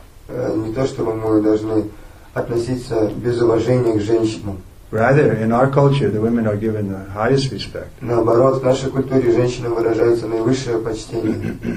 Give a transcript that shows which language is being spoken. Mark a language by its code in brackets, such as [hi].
[ru] Не то, чтобы мы должны относиться без уважения к женщинам. [en] Rather, in our culture, the women are given the highest respect. [ru] Наоборот, в нашей культуре женщинам выражается наивысшее почтение.